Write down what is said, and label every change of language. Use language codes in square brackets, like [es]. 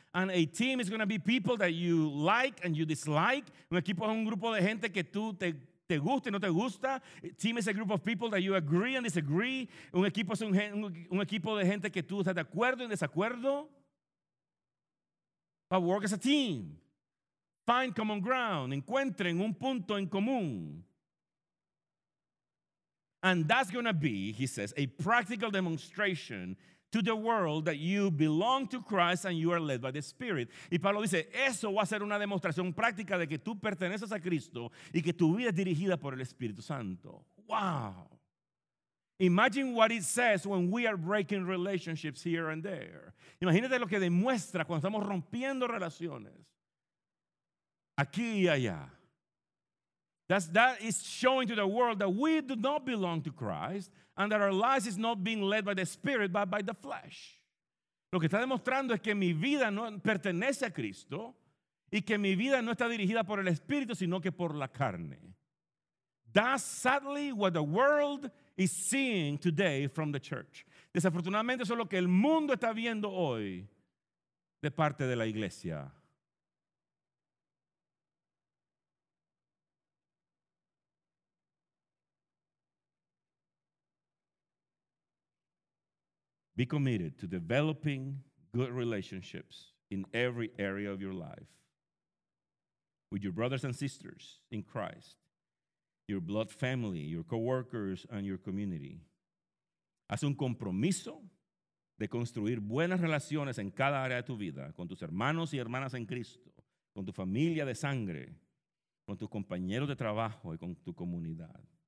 [en] And a team is going to be people that you like and you dislike. [es] Un equipo es un grupo de gente que tú te gusta y no te gusta. [en] Team is a group of people that you agree and disagree. [es] Un equipo es un equipo de gente que tú estás de acuerdo y en desacuerdo. [en] But work as a team. Find common ground. [es] Encuentren un punto en común. [en] And that's going to be, he says, a practical demonstration to the world that you belong to Christ and you are led by the Spirit. [es] Y Pablo dice, eso va a ser una demostración práctica de que tú perteneces a Cristo y que tu vida es dirigida por el Espíritu Santo. Wow. [en] Imagine what it says when we are breaking relationships here and there. [es] Imagínate lo que demuestra cuando estamos rompiendo relaciones. Aquí y allá. [en] That is showing to the world that we do not belong to Christ and that our lives is not being led by the Spirit but by the flesh. [es] Lo que está demostrando es que mi vida no pertenece a Cristo y que mi vida no está dirigida por el Espíritu sino que por la carne. [en] That's sadly what the world is seeing today from the church. [es] Desafortunadamente eso es lo que el mundo está viendo hoy de parte de la iglesia. [en] Be committed to developing good relationships in every area of your life with your brothers and sisters in Christ, your blood family, your coworkers, and your community. [es] Haz un compromiso de construir buenas relaciones en cada área de tu vida con tus hermanos y hermanas en Cristo, con tu familia de sangre, con tus compañeros de trabajo y con tu comunidad.